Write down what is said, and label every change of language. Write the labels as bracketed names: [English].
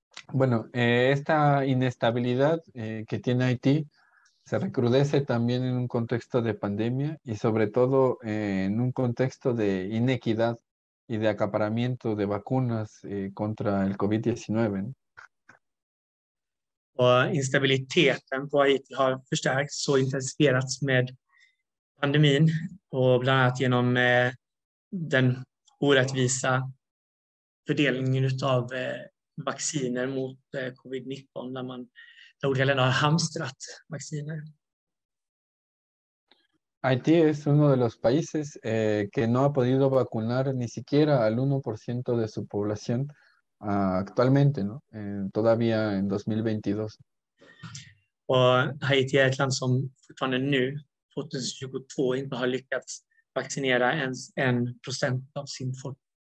[Spanish] Bueno, esta inestabilidad que tiene Haití se recrudece también en un contexto de pandemia y sobre todo en un contexto de inequidad y de acaparamiento de vacunas contra el COVID-19. [Swedish] Och instabiliteten på Haiti har förstärkts och intensifierats med pandemin och bland annat genom den orättvisa fördelningen av vacciner mot covid-19 där olika länder har hamstrat vacciner. [Spanish] Haití es uno de los países que no ha podido vacunar ni siquiera al 1% de su población actualmente, ¿no? Todavía en 2022. [Swedish] Och Haiti är ett land som fortfarande nu, 2022, inte har lyckats vaccinera ens 1% av sin folk.